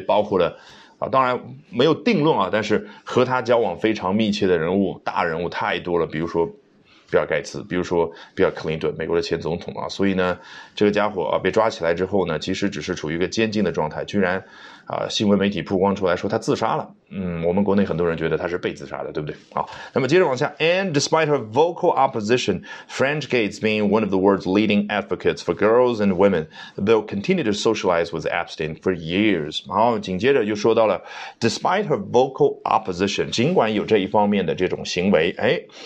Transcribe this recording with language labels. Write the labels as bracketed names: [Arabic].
[Chinese] 包括了啊，当然没有定论啊，但是和他交往非常密切的人物，大人物太多了，比如说比尔盖茨，比如说比尔克林顿，美国的前总统啊，所以呢，这个家伙啊被抓起来之后呢，其实只是处于一个监禁的状态，居然啊新闻媒体曝光出来说他自杀了，我们国内很多人觉得他是被自杀的，对不对？好，那么接着往下， [English] And despite her vocal opposition, French Gates being one of the world's leading advocates for girls and women, they'll continue to socialize with Epstein for years。 [Chinese] 然后紧接着就说到了， [English] despite her vocal opposition， [Chinese] 尽管有这一方面的这种行为，哎。